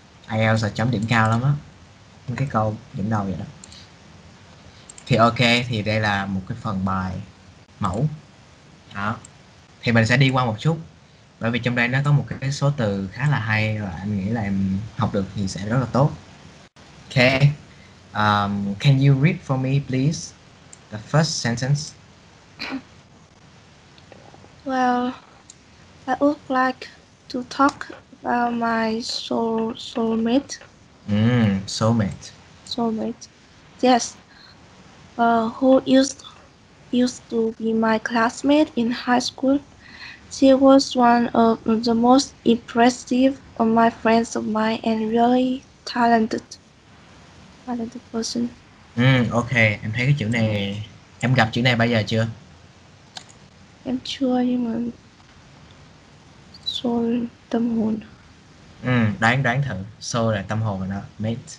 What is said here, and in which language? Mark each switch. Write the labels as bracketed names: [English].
[Vietnamese] IELTS là chấm điểm cao lắm á. Cái câu dẫn đầu vậy đó. Thì ok, thì đây là một cái phần bài mẫu đó. Thì mình sẽ đi qua một chút, bởi vì trong đây nó có một cái số từ khá là hay và em nghĩ là em học được thì sẽ rất là tốt. [English] Ok, can you read for me please the first sentence? Well, I would like to talk about my soulmate. Soulmate. Yes. Who used to be my classmate in high school. She was one of the most impressive of my friends of mine and really talented person. [Vietnamese] Okay, em thấy cái chữ này, em gặp chữ này bao giờ chưa? Em chưa, nhưng mà soul, tâm hồn. Đoán thử, soul là tâm hồn rồi đó, mate.